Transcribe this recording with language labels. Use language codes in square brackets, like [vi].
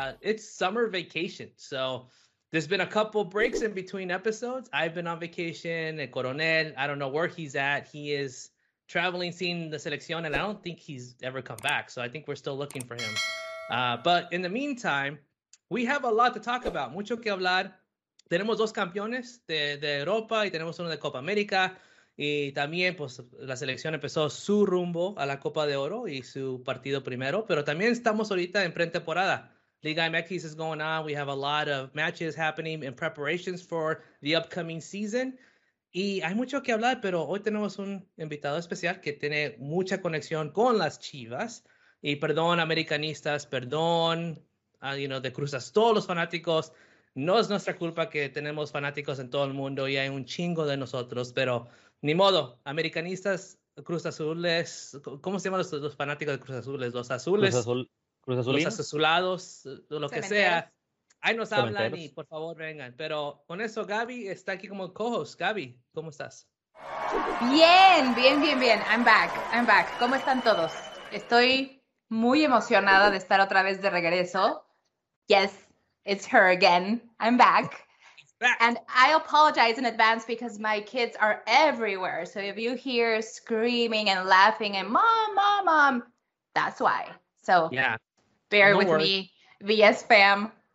[en] It's summer vacation, so there's been a couple breaks in between episodes. I've been on vacation, and Coronel, I don't know where he's at. He is traveling, seeing the selección, and I don't think he's ever come back, so I think we're still looking for him. But in the meantime, we have a lot to talk about, [es] mucho que hablar. Tenemos dos campeones de Europa y tenemos uno de Copa América. Y también, pues, la selección empezó su rumbo a la Copa de Oro y su partido primero. Pero también estamos ahorita en pretemporada. [en] Liga MX is going on. We have a lot of matches happening in preparations for the upcoming season. [es] Y hay mucho que hablar, pero hoy tenemos un invitado especial que tiene mucha conexión con las Chivas. Y perdón, americanistas, perdón, de Cruz Azul, todos los fanáticos. No es nuestra culpa que tenemos fanáticos en todo el mundo y hay un chingo de nosotros, pero ni modo, americanistas, Cruz Azules, ¿cómo se llaman los fanáticos de Cruz Azules? Los azules, Cruz Azul, los azulados, lo que sea, ahí nos hablan y por favor vengan. Pero con eso, Gaby está aquí como co-host. Gaby, ¿cómo estás? Bien, [en] I'm back. [es] ¿Cómo están todos? Estoy muy emocionada de estar otra vez de regreso. [en] Yes. It's her again. I'm back. And I apologize in advance because my kids are everywhere. So if you hear screaming and laughing and mom, that's why. So yeah, bear with me, VS fam.